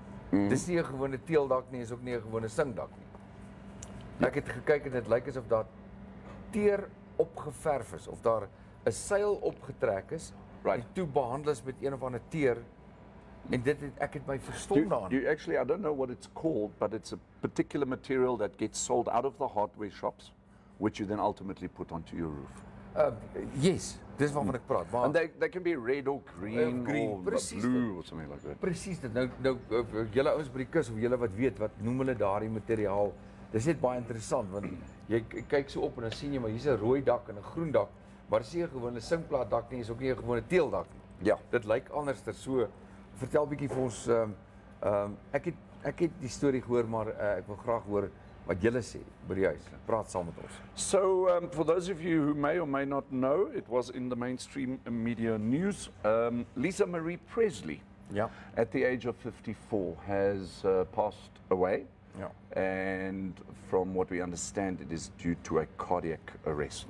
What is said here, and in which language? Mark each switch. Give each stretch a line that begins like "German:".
Afrikaans: Dis nie 'n gewone teeldak nie, is ook nie 'n gewone singdak nie. Ek het gekyk en dit lyk asof daar teer opgeverf is of daar 'n seil opgetrek is.
English: Right.
Afrikaans: En toe behandel is met een of ander teer. En dit het, ek het my verstom daaraan.
English: You actually, I don't know what it's called, but it's a particular material that gets sold out of the hardware shops, which you then ultimately put onto your roof.
Afrikaans: Yes, dis waarvan ek praat.
English: Maar, and they can be red or green, or blue or something like that.
Afrikaans: Precies dit. Nou, julle ouens by die kus of julle wat weet, wat noem hulle daardie materiaal? Dis net baie interessant, want jy kyk so op en dan sien jy, maar hier is 'n rooi dak en 'n groen dak, maar dis nie 'n gewone singplaat dak nie, is ook nie 'n gewone teeldak nie. Ja. Dit lyk anders, dis so. Vertel bietjie vir ons, ek het die storie gehoor, maar ek wil graag hoor wat julle sê by die huis. Praat saam met ons.
English: So, for those of you who may or may not know, it was in the mainstream media news. Lisa Marie Presley,
Afrikaans: ja,
English: at the age of 54, has passed away.
Afrikaans: Ja.
English: And from what we understand, it is due to a cardiac arrest.